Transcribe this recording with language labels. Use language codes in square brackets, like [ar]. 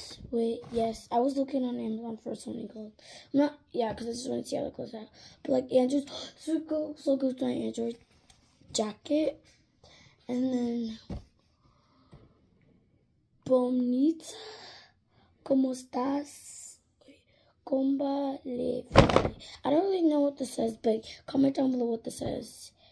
[en] Wait, yes, I was looking on Amazon for something gold. Because I just wanted to see how it goes out. But, like, Andrew's so good to my Android jacket. And then, [es] Bonita, ¿cómo estás? ¿Cómo le fue? [en] I don't really know what this says, but comment down below what this says.